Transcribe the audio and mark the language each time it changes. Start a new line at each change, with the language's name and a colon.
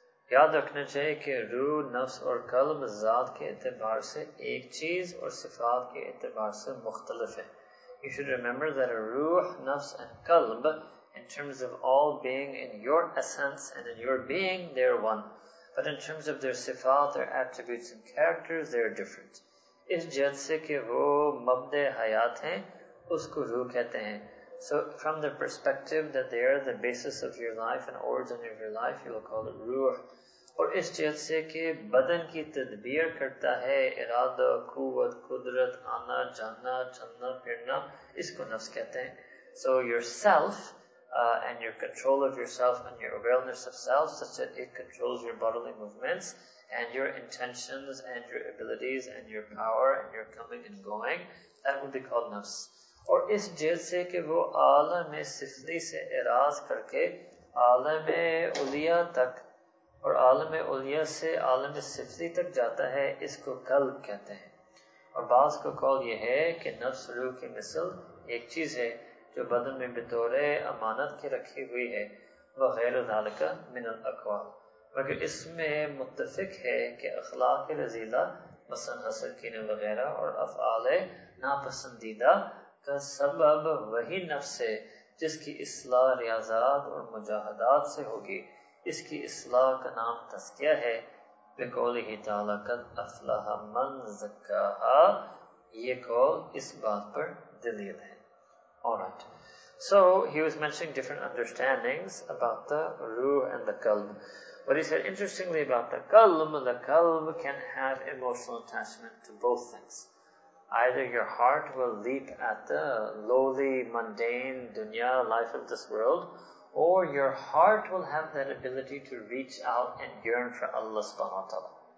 Urdu: یاد رکھنا چاہیے کہ روح, نفس اور قلب ذات کے اعتبار سے ایک چیز اور صفات کے اعتبار سے مختلف ہیں.
English: You should remember that a روح, نفس and قلب, in terms of all being in your essence and in your being, they are one. But in terms of their صفات, their attributes and characters, they are different.
Urdu: اس جد سے کہ وہ مبدع حیات ہیں, اس کو روح کہتے ہیں.
English: So from the perspective that they are the basis of your life and origin of your life, you will call it ruh.
Urdu: اور اس جہت سے کہ بدن کی تدبیر کرتا ہے, ارادہ, قوت, قدرت, آنا جانا, چلنا پھرنا, اس کو نفس کہتے ہیں.
English: So yourself and your control of yourself and your awareness of self, such that it controls your bodily movements and your intentions and your abilities and your power and your coming and going, that would be called nafs.
Urdu: اور اس جہت سے کہ وہ عالم سفلی سے اعراض کر کے عالم علیا تک اور عالم علیا سے عالم سفلی تک جاتا ہے, اس کو قلب کہتے ہیں. اور بعض کو قول یہ ہے کہ نفس روح کی مثل ایک چیز ہے جو بدن میں بطور امانت کے رکھی ہوئی ہے, وہ
Arabic: غیر ذالک من الاقوال,
Urdu: مگر اس میں متفق ہے کہ اخلاق رذیلہ مثلا حسد کینہ وغیرہ اور افعال ناپسندیدہ کا سبب وہی نفس ہے جس کی اصلاح ریاضات اور مجاہدات سے ہوگی. اس کی اصلاح کا نام تزکیہ ہے,
Arabic: بقولہ تعالیٰ قد افلح من زکاہا,
Urdu: یہ قول اس بات پر دلیل ہے.
English: Alright. So he was mentioning different understandings about the ruh and the qalb. But he said interestingly about the qalb can have emotional attachment to both things. Either your heart will leap at the lowly, mundane dunya, life of this world, or your heart will have that ability to reach out and yearn for Allah subhanahu wa ta'ala.